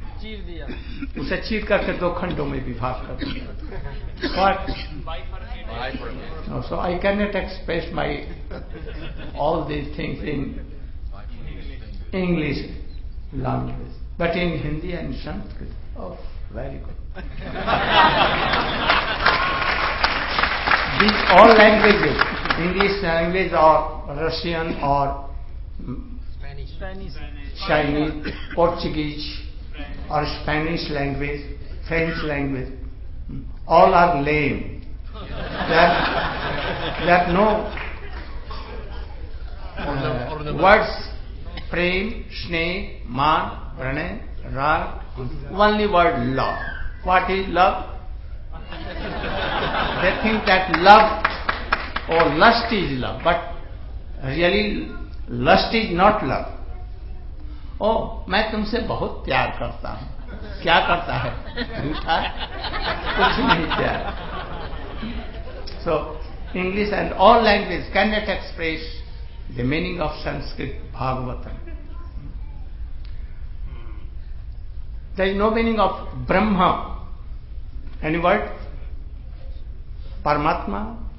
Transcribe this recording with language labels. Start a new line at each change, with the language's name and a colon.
Hindi: चीर दिया उसे चीर करके दो खंडों में विभाग कर दिया.
English: So I cannot express my all these things in English language, but in Hindi and Sanskrit. Oh, very good. These all languages, English language or Russian or Spanish, Chinese, Portuguese, or Spanish language, French language, all are lame. That no words, prem, snehe, maan, prane, raag, only word love. What is love? They think that love or lust is love, but really lust is not love.
Hindi: मैं तुमसे बहुत प्यार करता हूँ. क्या करता है? झूठा. कुछ नहीं प्यार.
English: So English and all languages cannot express the meaning of Sanskrit Bhagavatam. There is no meaning of Brahma. Any word? Paramatma?